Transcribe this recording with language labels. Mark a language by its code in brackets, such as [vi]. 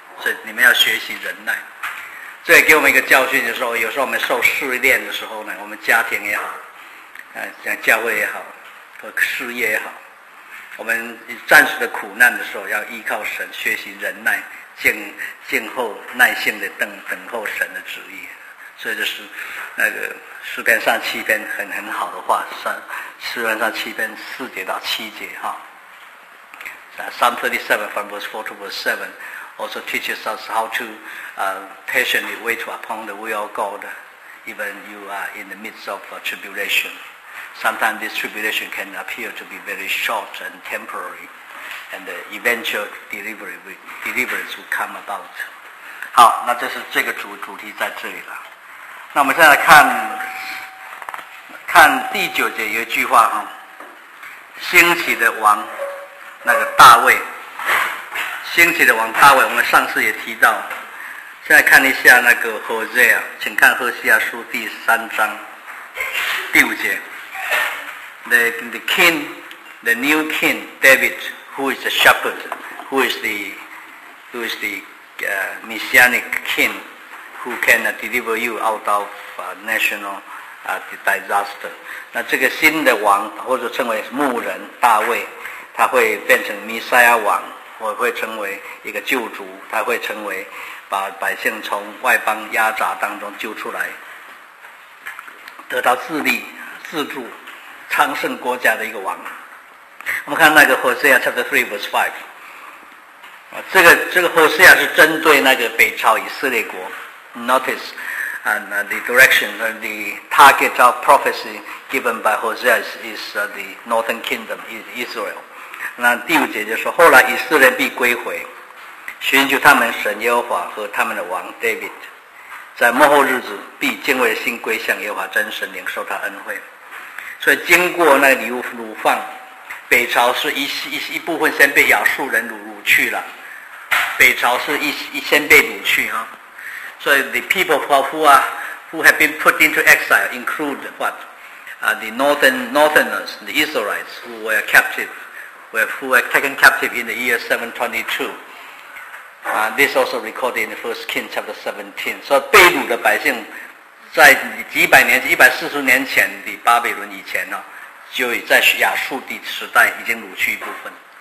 [zh] 所以你们要学习忍耐。这也给我们一个教训，就是说有时候我们受试炼的时候呢，我们家庭也好，像教会也好，和事业也好，我们暂时的苦难的时候要依靠神，学习忍耐，静候耐心的等候神的旨意。所以就是那个诗篇上七篇很好的话，诗篇上七篇4节到7节哈。 [en] Psalm 37:4-7 also teaches us how to patiently wait upon the will of God, even you are in the midst of tribulation. Sometimes this tribulation can appear to be very short and temporary, and the eventual deliverance will come about. [zh] 好，那这是这个主题在这里了。那我们现在看第九节有一句话哈，兴起的王，那个大卫，兴起的王大卫，我们上次也提到。现在看一下那个何西亚，请看何西亚书 [en] 3:5 the new king David, who is the messianic king, who can deliver you out of national disaster. [zh] 那这个新的王或者称为牧人大卫，他会变成弥赛亚王，或会成为一个救主，他会成为把百姓从外邦压榨当中救出来，得到自立自助昌盛国家的一个王。我们看那个 Hosea 3:5，这个 Hosea 是针对那个北朝以色列国。 [en] Notice and the direction and the target of prophecy given by Hosea is the northern kingdom Israel. [zh] 那第五节就说，后来以色列必归回，寻求他们神耶和华和他们的王 David， 在末后日子必敬畏心归向耶和华真神，领受他恩惠。所以经过那个掳放，北朝是 一部分先被亚述人掳去了，北朝是 先被掳去啊。 [en] So the people who have been put into exile include what? The northerners, the Israelites, who were taken captive in the year 722. This also recorded in 1 Kings 17. [zh] So 被掳的百姓在几百年前140年前的巴比伦以前呢，就在亚述的时代已经掳去一部分。